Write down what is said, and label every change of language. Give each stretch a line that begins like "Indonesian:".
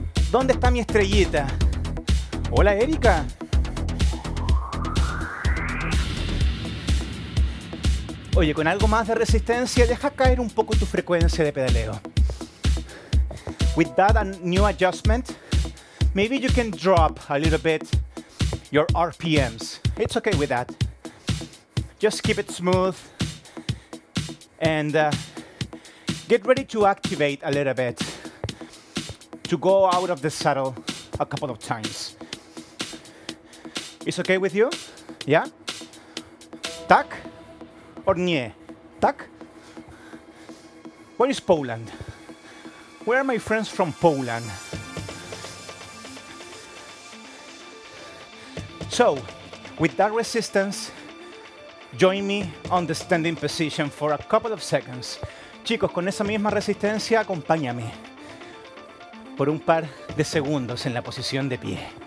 Spanish: ¿Dónde está mi estrellita? Hola, Erika. O Oye, con algo más de resistencia, deja caer un poco tu frecuencia de pedaleo.
English: With that new adjustment, maybe you can drop a little bit your RPMs. It's okay with that. Just keep it smooth and get ready to activate a little bit, to go out of the saddle a couple of times. Is okay with you? Yeah?
Polish: Tak or nie? Tak?
English: Where is Poland? Where are my friends from Poland? So, with that resistance, join me on the standing position for a couple of seconds.
Spanish: Chicos, con esa misma resistencia, acompáñame por un par de segundos en la posición de pie.